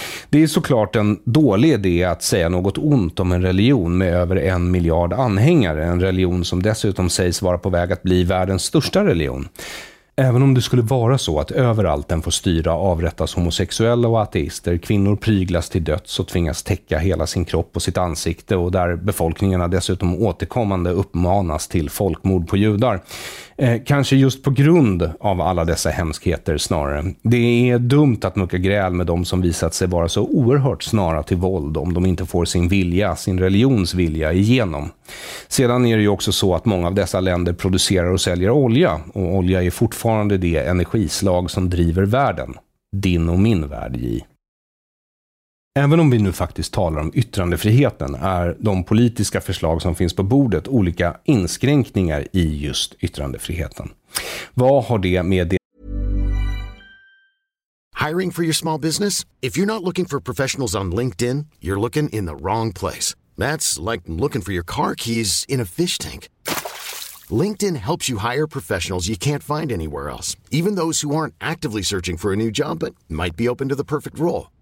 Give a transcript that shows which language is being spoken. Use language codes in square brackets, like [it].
[sv] Det är såklart en dålig idé att säga något ont om en religion med över 1 miljard anhängare, en religion som dessutom sägs vara på väg att bli världens största religion. Även om det skulle vara så att överallt den får styra avrättas homosexuella och ateister, kvinnor pryglas till döds och tvingas täcka hela sin kropp och sitt ansikte och där befolkningarna dessutom återkommande uppmanas till folkmord på judar. Kanske just på grund av alla dessa hemskheter snarare. Det är dumt att mucka gräl med de som visat sig vara så oerhört snara till våld om de inte får sin vilja, sin religions vilja igenom. Sedan är det ju också så att många av dessa länder producerar och säljer olja, och olja är fortfarande det energislag som driver världen. Din och min värld, J. Även om vi nu faktiskt talar om yttrandefriheten är de politiska förslag som finns på bordet olika inskränkningar i just yttrandefriheten. Vad har det med det? [en] Hiring for your small business? If you're not looking for professionals on LinkedIn, you're looking in the wrong place. That's like looking for your car keys in a fish tank. LinkedIn helps you hire professionals you can't find anywhere else, even those who aren't actively searching for a new job but might be open to the perfect role.